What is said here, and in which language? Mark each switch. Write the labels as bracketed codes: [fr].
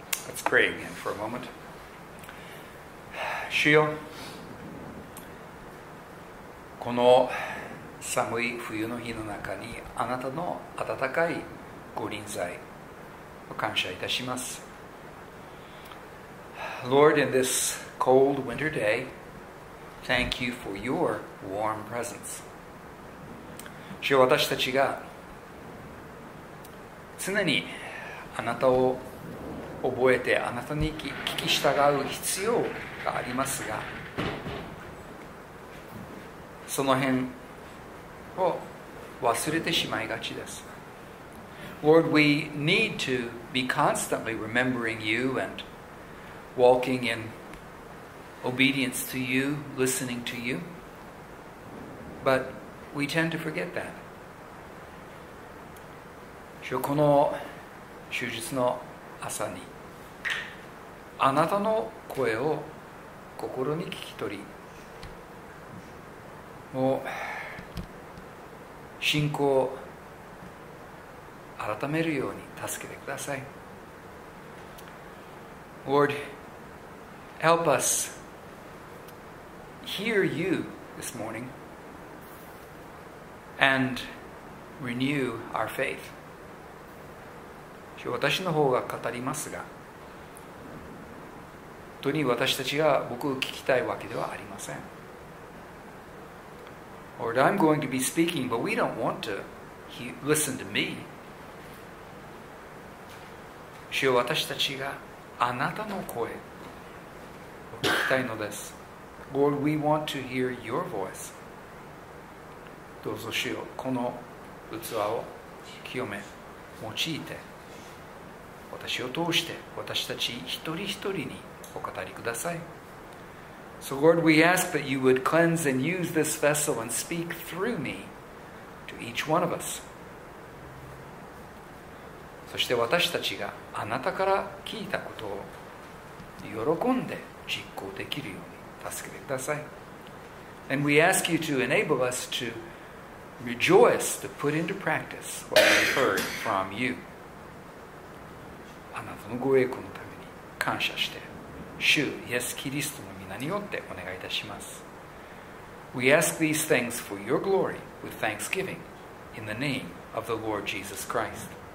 [en] Let's pray again for a moment. [ja] 主よ、この寒い冬の日の中にあなたの温かいご臨在を感謝いたします。 [en] Lord, in this cold winter day, thank you for your warm presence. [ja] 主よ、私たちが常にあなたを覚えてあなたに聞き従う必要がありますが、その辺を忘れてしまいがちです。 [en] Lord, we need to be constantly remembering you and walking in obedience to you, listening to you, but we tend to forget that. [ja] 主よ、この終日の朝にあなたの声を心に聞き取り、もう信仰を改めるように助けてください。 [en] Lord, help us hear you this morning and renew our faith. [ja] 私の方が語りますが、本当に私たちが僕を聞きたいわけではありません。 [en] Lord, I'm going to be speaking, but we don't want to listen to me. [ja] 主よ、私たちがあなたの声を聞きたいのです。 [en] Lord, we want to hear your voice. [ja] どうぞ主よ、この器を清め、用いて、私を通して私たち一人一人にお語りください。 [en] So Lord, we ask that you would cleanse and use this vessel and speak through me to each one of us. [ja] そして私たちがあなたから聞いたことを喜んで実行できるように助けてください。 [en] And we ask you to enable us to rejoice to put into practice what we heard from you. [ja] あなたのご栄光のために感謝して、主イエス・キリストの御名によってお願いいたします。 [en] We ask these things for your glory with thanksgiving in the name of the Lord Jesus Christ.